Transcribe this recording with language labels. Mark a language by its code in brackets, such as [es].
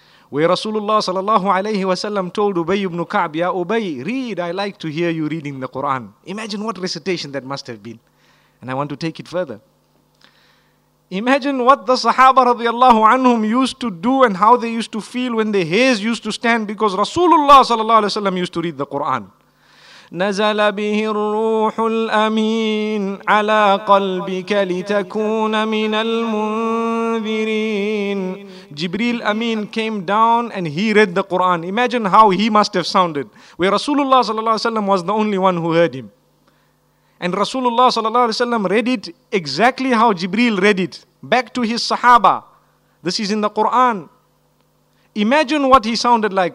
[en] Where Rasulullah sallallahu alayhi wa sallam told Ubay ibn Ka'b, ya Ubay, read, I like to hear you reading the Quran. Imagine what recitation that must have been. And I want to take it further. Imagine what the Sahaba radiallahu anhum used to do and how they used to feel when their hairs used to stand because Rasulullah sallallahu alayhi wa sallam used to read the Quran. [ar] نزل به الروح الأمين على قلبك لتكون من المنذرين. [en] Jibril Amin came down and he read the Quran. Imagine how he must have sounded, where Rasulullah sallallahu alaihi wasallam was the only one who heard him. And Rasulullah sallallahu alaihi wasallam read it exactly how Jibril read it, back to his Sahaba. This is in the Quran. Imagine what he sounded like.